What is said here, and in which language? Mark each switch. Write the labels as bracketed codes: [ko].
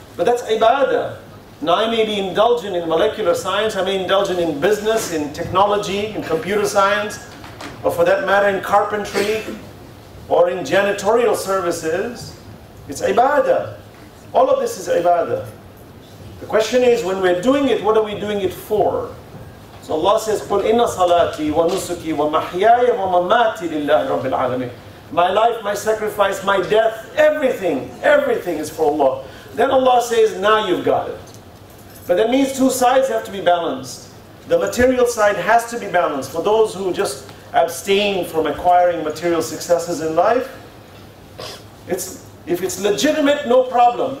[en] But that's ibadah. Now I may be indulgent in molecular science, I may indulge in business, in technology, in computer science, or for that matter in carpentry, or in janitorial services. It's ibadah. All of this is ibadah. The question is, when we're doing it, what are we doing it for? So Allah says, [ar] قُلْ إِنَّ صَلَاتِي وَنُسُكِي وَمَحْيَايَ وَمَمَاتِي لِلَّهِ رَبِّ الْعَالَمِينَ. [en] My life, my sacrifice, my death, everything is for Allah. Then Allah says, now you've got it. But that means two sides have to be balanced. The material side has to be balanced. For those who just abstain from acquiring material successes in life, if it's legitimate, no problem.